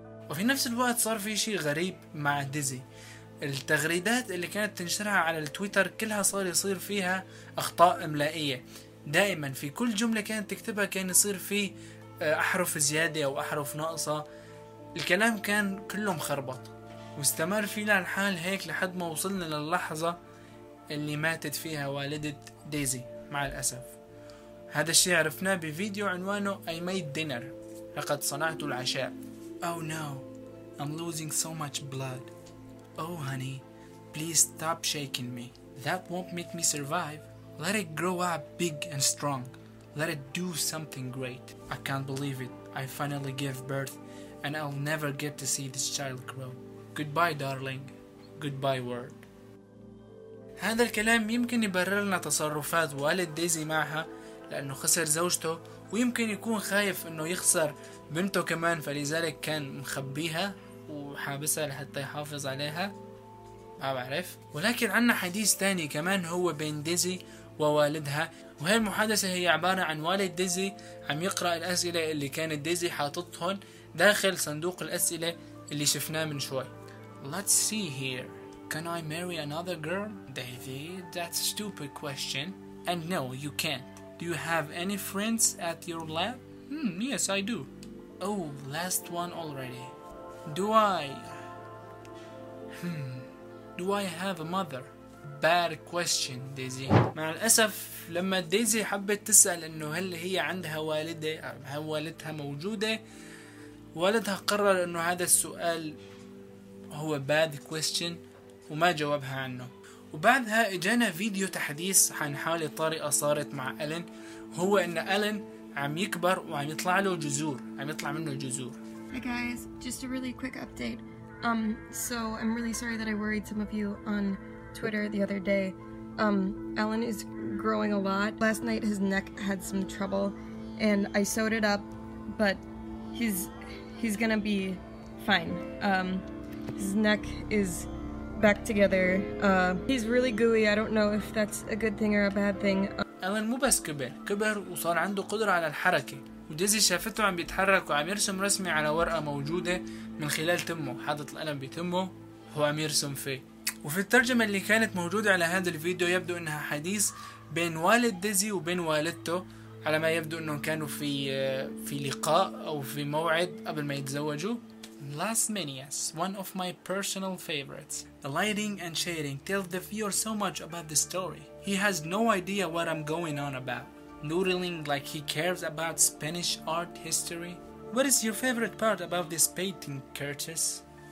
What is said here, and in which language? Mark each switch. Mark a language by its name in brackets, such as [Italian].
[Arabic] وفي نفس الوقت صار في شيء غريب مع ديزي، التغريدات اللي كانت تنشرها على التويتر كلها صار يصير فيها أخطاء إملائية، دائما في كل جملة كانت تكتبها كان يصير فيه أحرف زيادة أو أحرف ناقصة، الكلام كان كله مخربط. واستمر فينا الحال هيك لحد ما وصلنا للحظة اللي ماتت فيها والدة ديزي مع الأسف. هذا الشيء عرفناه بفيديو عنوانه [English] I made dinner، [Arabic] لقد صنعت العشاء. [English] Oh no, I'm losing so much blood. Oh honey, please stop shaking me. That won't make me survive. Let it grow up big and strong. Let it do something great. I can't believe it. I finally gave birth and I'll never get to see this child grow. Goodbye darling. Goodbye world. [Arabic] هذا الكلام يمكن يبرر لنا تصرفات والد ديزي معها لأنه خسر زوجته، ويمكن يكون خايف انه يخسر بنته كمان فلذلك كان مخبيها وحابسها لحتى يحافظ عليها، ما بعرف. ولكن عنا حديث تاني كمان هو بين ديزي ووالدها، وهي المحادثة هي عبارة عن والد ديزي عم يقرأ الأسئلة اللي كانت ديزي حاططهن داخل صندوق الأسئلة اللي شفناه من شوي. [English] Let's see here. Can I marry another girl? Davy, that's a stupid question. And no, you can't. Do you have any friends at your lab? Yes, I do. Oh, last one already. Do I have a mother? Bad question, Daisy. [Arabic] مع الأسف لما ديزي حبت تسأل إنه هل هي عندها والدة أو هل والدها موجودة، والدها قرر إنه هذا السؤال هو [English] bad question [Arabic] وما جاوبها عنه. وبعدها اجانا فيديو تحديث عن حالة طارئة صارت مع ألين، هو ان ألين عم يكبر وعم يطلع له جذور، عم يطلع منه جذور. [English] Hey guys, just a really quick update. So I'm really sorry that I worried some of you on Twitter the other day. Alan is growing a lot. Last night his neck had some trouble, and I sewed it up, but he's gonna be fine. His neck is back together. He's really gooey. I don't know if that's a good thing or a bad thing. [Arabic] Alan مو بس كبر، كبر وصار عنده قدرة على الحركة. وديزي شافته عم بيتحرك وعم يرسم رسمة على ورقة موجودة من خلال تمه، حاطط القلم بتمه هو عم يرسم فيه. وفي الترجمة اللي كانت موجودة على هذا الفيديو يبدو انها حديث بين والد ديزي وبين والدته، على ما يبدو انه كانوا في لقاء او في موعد قبل ما يتزوجوا. [English] Last Minias, one of my personal favorites. The lighting and shading tell the viewer so much about the story. He has no idea what I'm going on about. Noodling like he cares about Spanish art history. What is your favorite part about this painting, Curtis?